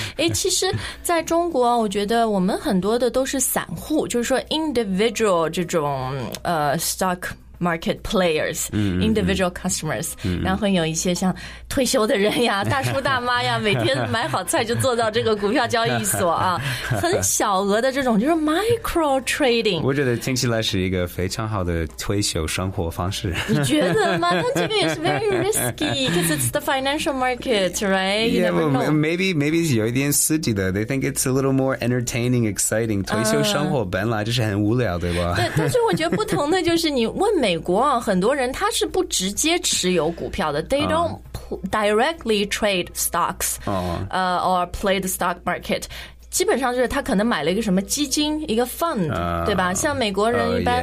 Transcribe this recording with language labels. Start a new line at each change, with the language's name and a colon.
Chinese: 哎，其实在中国，我觉得我们很多的都是散户，就是说 individual 这种stock market players， individual customers， 然后有一些像退休的人呀、大叔大妈呀，每天买好菜就坐到这个股票交易所啊，很小额的这种就是 micro trading。我觉得听起来是一个非常好的退休生活方式。你觉得吗？但这个也是
English: very risky， because it's the financial market。 Right? Yeah, well, maybe it's
Chinese: 有一点刺激的
English: They think it's a little more entertaining, exciting
Chinese: 退休生活本来就是很无聊对吧对但是我觉得不同的就是你问美国很多人他是不直接持有股票的
English: They don't directly trade stocks or play the stock market
Chinese: 基本上就是他可能买了一个什么基金一个 fund 对吧像美国人一般